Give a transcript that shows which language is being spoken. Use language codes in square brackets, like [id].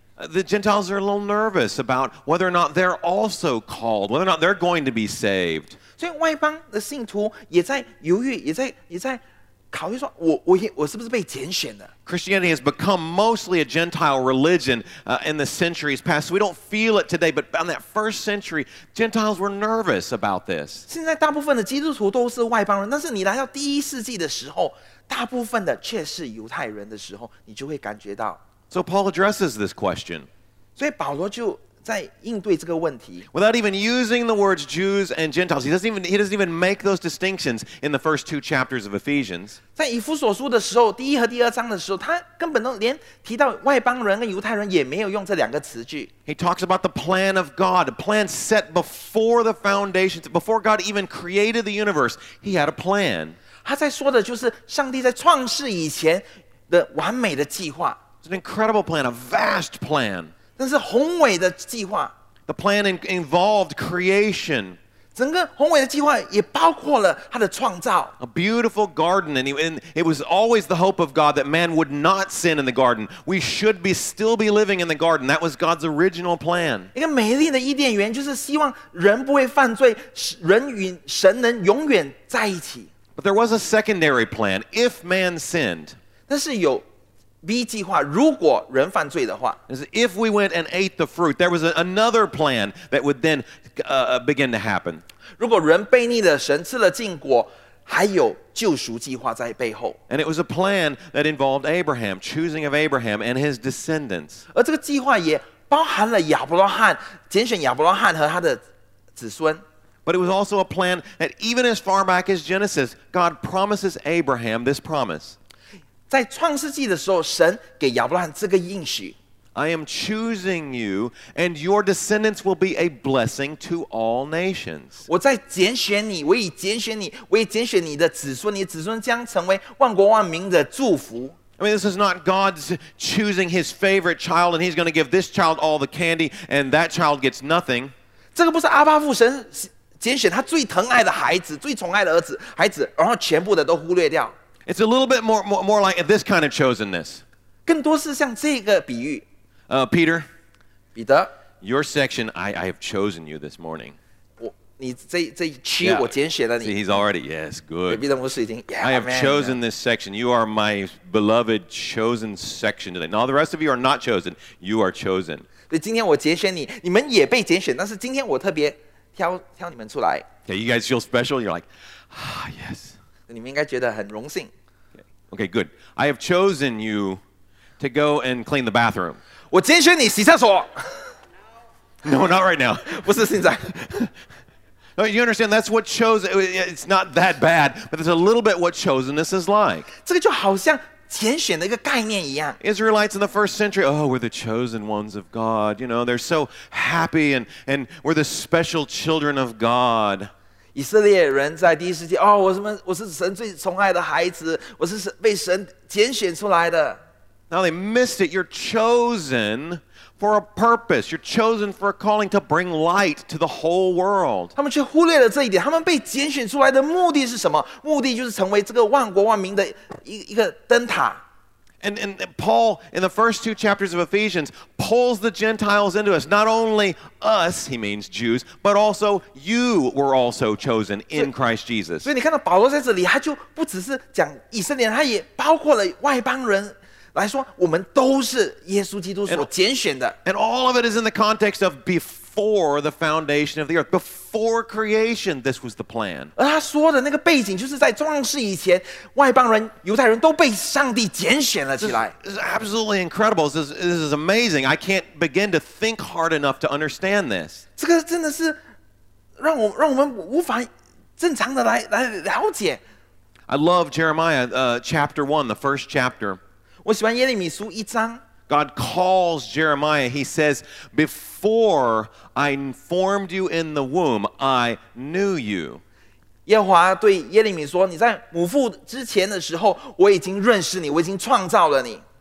[en] The Gentiles are a little nervous about whether or not they're also called, whether or not they're going to be saved. [zh] 所以外邦的信徒也在犹豫，也在。考虑说我是不是被拣选的 [en] Christianity has become mostly a Gentile religion in the centuries past. We don't feel it today, but on that first century, Gentiles were nervous about this. [zh] 现在大部分的基督徒都是外邦人，但是你来到第一世纪的时候，大部分的却是犹太人的时候，你就会感觉到。 [en] So Paul addresses this question. [zh] 所以保罗就在应对这个问题。 [en] Without even using the words Jews and Gentiles, he doesn't even make those distinctions in the first two chapters of Ephesians. [zh] 在以弗所书的时候，第一和第二章的时候，他根本都连提到外邦人跟犹太人也没有用这两个词句。 [en] He talks about the plan of God, a plan set before the foundations, before God even created the universe. He had a plan. [zh] 他在说的就是上帝在创世以前的完美的计划。 [en] It's an incredible plan, a vast plan. [zh] 但是宏伟的计划 [en] The plan involved creation. [zh] 整个宏伟的计划也包括了他的创造 [en] A beautiful garden. And it was always the hope of God that man would not sin in the garden. We should still be living in the garden. That was God's original plan. [zh] 一个美丽的伊甸园就是希望人不会犯罪，人与神能永远在一起。 [en] But there was a secondary plan. If man sinned. [zh] 但是有B 计划，如果人犯罪的话 [en] ，If we went and ate the fruit, there was another plan that would then begin to happen. [zh] 如果人悖逆了神，吃了禁果，还有救赎计划在背后。 [en] And it was a plan that involved Abraham, choosing of Abraham and his descendants. [zh] 而这个计划也包含了亚伯拉罕，拣选亚伯拉罕和他的子孙。 [en] But it was also a plan that even as far back as Genesis, God promises Abraham this promise. [zh] 在创世纪的时候，神给亚伯拉罕这个应许。 [en] I am choosing you, and your descendants will be a blessing to all nations. [zh] 我在拣选你，我已拣选你，我已拣选你的子孙，你的子孙将成为万国万民的祝福。 [en] I mean, this is not God's choosing his favorite child, and he's going to give this child all the candy, and that child gets nothing. [zh] 这个不是阿爸父神拣选他最疼爱的孩子，最宠爱的孩子，然后全部的都忽略掉。 [en] It's a little bit more like this kind of chosenness. [zh] 更多是像这个比喻。 [en] Peter, [zh] 彼得 [en] your section, I have chosen you this morning. [zh] 我,你这一区 我拣选了你。 [en] See, he's already, yes, good. [zh] 隔壁的牧师已经 yeah, [en] I have man, chosen this section. You are my beloved chosen section today. Now the rest of you are not chosen. You are chosen. [zh] 对，今天我拣选你，你们也被拣选，但是今天我特别挑你们出来。 [en] Okay, you guys feel special? You're like, ah, yes. [zh] 你们应该觉得很荣幸。 [en] Okay, good. I have chosen you to go and clean the bathroom. [zh] 我拣选你洗厕所。 [en] No, not right now. [zh] 不是现在。 [en] No, you understand, that's what chosen, it's not that bad, but it's a little bit what chosenness is like. [zh] 这个就好像拣选的一个概念一样。 [en] Israelites in the first century, oh, we're the chosen ones of God. You know, they're so happy and we're the special children of God. [zh] 以色列人在第一世纪哦，我是神最宠爱的孩子，我是被神拣选出来的。 [en] Now they missed it. You're chosen for a purpose. You're chosen for a calling to bring light to the whole world. [zh] 他们却忽略了这一点。他们被拣选出来的目的是什么？目的就是成为这个万国万民的一个灯塔。 [en] And Paul, in the first two chapters of Ephesians, pulls the Gentiles into us. Not only us, he means Jews, but also you were also chosen in Christ Jesus. [zh] 所以你看到保罗在这里，他就不只是讲以色列人，他也包括了外邦人来说，我们都是耶稣基督所拣选的。 [en] And all of it is in the context of before the foundation of the earth. Before creation, this was the plan. [zh] 而他说的那个背景就是在创世以前，外邦人、犹太人都被上帝拣选了起来。 [en] This is absolutely incredible. This is amazing. I can't begin to think hard enough to understand this. [zh] 这个真的是让我们无法正常的来了解。 [en] I love Jeremiah, chapter 1, the first chapter. [zh] 我喜欢耶利米书一章。 [en] God calls Jeremiah. He says, "Before I formed you in the womb, I knew you." [zh] 耶和华对耶利米说，你在母腹之前的时候，我已经认识你，我已经创造了你。